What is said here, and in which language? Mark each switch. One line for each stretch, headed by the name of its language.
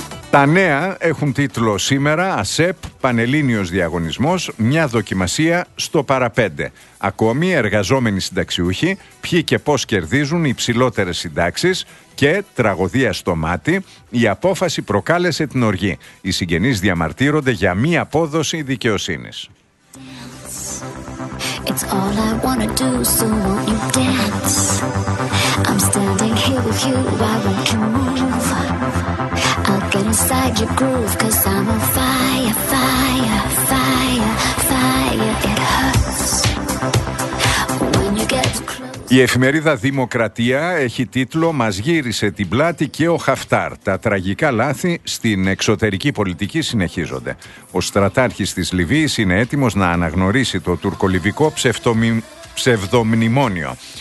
Greek: Τα νέα έχουν τίτλο σήμερα «ΑΣΕΠ, Πανελλήνιος Διαγωνισμός, μια δοκιμασία στο παραπέντε». Ακόμη εργαζόμενοι συνταξιούχοι, ποιοι και πώς κερδίζουν υψηλότερες συντάξεις και τραγωδία στο μάτι, η απόφαση προκάλεσε την οργή. Οι συγγενείς διαμαρτύρονται για μη απόδοση δικαιοσύνης.
English: It's all I wanna do, so won't you dance? I'm standing here with you, why won't you move? I'll get inside your groove, cause I'm on fire, fire, fire, fire. It hurts when you get close.
Greek: Η εφημερίδα Δημοκρατία έχει τίτλο «Μας γύρισε την πλάτη και ο Χαφτάρ. Τα τραγικά λάθη στην εξωτερική πολιτική συνεχίζονται». Ο στρατάρχης της Λιβύης είναι έτοιμος να αναγνωρίσει το τουρκολιβικό ψευδομνημόνιο.